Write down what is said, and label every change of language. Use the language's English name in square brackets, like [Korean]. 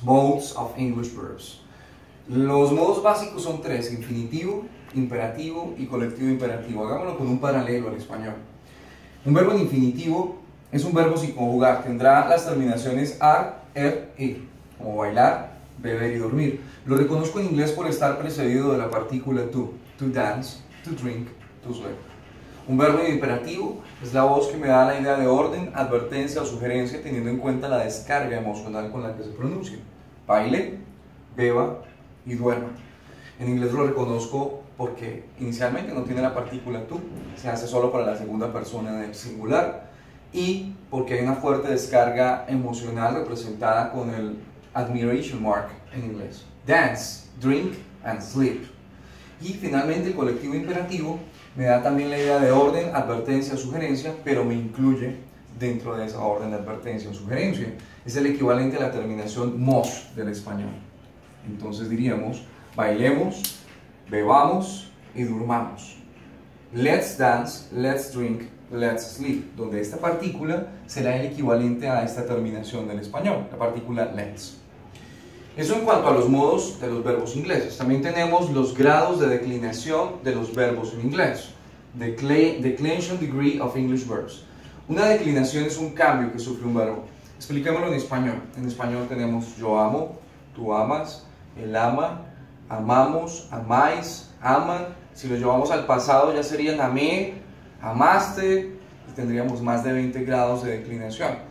[English] Modes of English verbs. [Spanish] Los modos básicos son tres: infinitivo, imperativo y colectivo imperativo. Hagámoslo con un paralelo al español. Un verbo en infinitivo es un verbo sin conjugar. Tendrá las terminaciones ar, er, e, como bailar, beber y dormir. Lo reconozco en inglés por estar precedido de la partícula to. [English] To dance, to drink, to sleep. [Spanish] Un verbo en imperativo es la voz que me da la idea de orden, advertencia o sugerencia teniendo en cuenta la descarga emocional con la que se pronuncia. Baile, beba y duerma. En inglés lo reconozco porque inicialmente no tiene la partícula to, se hace solo para la segunda persona del singular y porque hay una fuerte descarga emocional representada con el admiration mark en inglés. [English] Dance, drink and sleep. [Spanish] Y finalmente el colectivo imperativo me da también la idea de orden, advertencia, sugerencia, pero me incluye dentro de esa orden, advertencia o sugerencia. Es el equivalente a la terminación mos del español. Entonces diríamos, bailemos, bebamos y durmamos. [English] Let's dance, let's drink, let's sleep, [Spanish] donde esta partícula será el equivalente a esta terminación del español, la partícula let's. Eso en cuanto a los modos de los verbos ingleses. También tenemos los grados de declinación de los verbos en inglés. [English] Declination degree of English verbs. [Spanish] Una declinación es un cambio que sufre un verbo. Expliquémoslo en español. En español tenemos yo amo, tú amas, él ama, amamos, amáis, aman. Si lo llevamos al pasado ya serían amé, amaste, y tendríamos más de 20 grados de declinación.